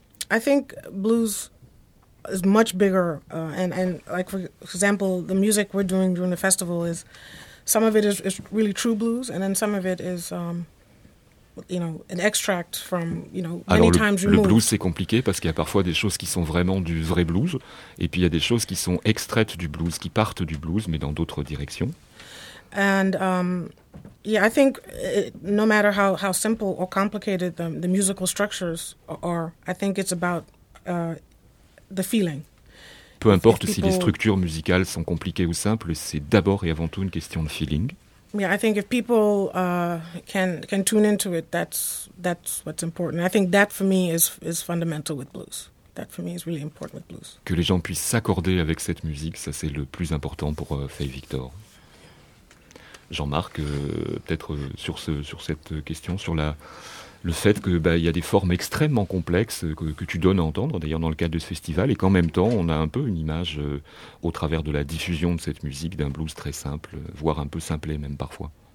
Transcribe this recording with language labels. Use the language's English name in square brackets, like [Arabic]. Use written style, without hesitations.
[English] I think blues is much bigger, and like for example, the music we're doing during the festival is some of it is really true blues, and then some of it is, an extract from many [French] Alors, [English] times removed. [French] Le blues c'est compliqué parce qu'il y a parfois des choses qui sont vraiment du vrai blues, et puis il y a des choses qui sont extraites du blues, qui partent du blues, mais dans d'autres directions. [English] And I think no matter how simple or complicated the musical structures are, I think it's about the feeling. [French] Peu importe si les structures musicales sont compliquées ou simples, c'est d'abord et avant tout une question de feeling. [English] Yeah, I think if people can tune into it, that's what's important. I think that for me is fundamental with blues. That for me is really important with blues. [French] Que les gens puissent s'accorder avec cette musique, ça c'est le plus important pour Faye Victor. Jean-Marc, peut-être sur cette question, sur la, le fait que bah, y a des formes extrêmement complexes que tu donnes à entendre, d'ailleurs dans le cadre de ce festival, et qu'en même temps, on a un peu une image au travers de la diffusion de cette musique, d'un blues très simple, voire un peu simplé même parfois.